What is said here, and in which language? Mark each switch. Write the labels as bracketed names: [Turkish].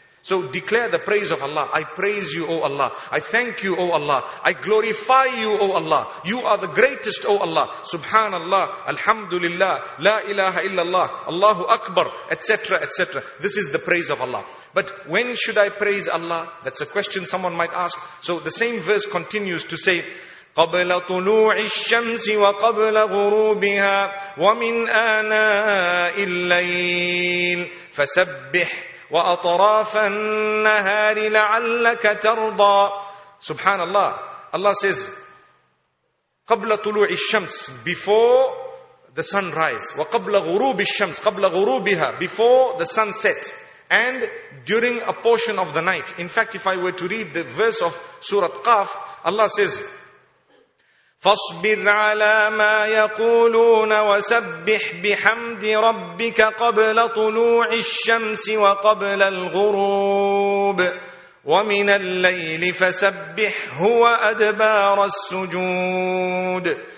[English] So declare the praise of Allah. I praise you, O Allah. I thank you, O Allah. I glorify you, O Allah. You are the greatest, O Allah. Subhanallah, alhamdulillah, la ilaha illallah, Allahu Akbar, etc., etc. This is the praise of Allah. But when should I praise Allah? That's a question someone might ask. So the same verse continues to say, [Arabic] قَبْلَ طُلُوعِ الشَّمْسِ وَقَبْلَ غُرُوبِهَا وَمِنْ آنَاءِ اللَّيْلِ فَسَبِّحْ وَأَطْرَافَ النَّهَارِ لَعَلَّكَ تَرْضَى. [English] Subhanallah. Allah says, [Arabic] قَبْلَ طُلُوعِ الشَّمْسِ, [English] before the sunrise. [Arabic] وَقَبْلَ غُرُوبِ الشَّمْسِ, قَبْلَ غُرُوبِهَا, [English] before the sunset. And during a portion of the night. In fact, if I were to read the verse of Surah Qaf, Allah says, [Arabic] فَاصْبِرْ عَلَى مَا يَقُولُونَ وَسَبِّحْ بِحَمْدِ رَبِّكَ قَبْلَ طُلُوعِ الشَّمْسِ وَقَبْلَ الْغُرُوبِ وَمِنَ اللَّيْلِ فَسَبِّحْهُ وَأَدْبَارَ السُّجُودِ.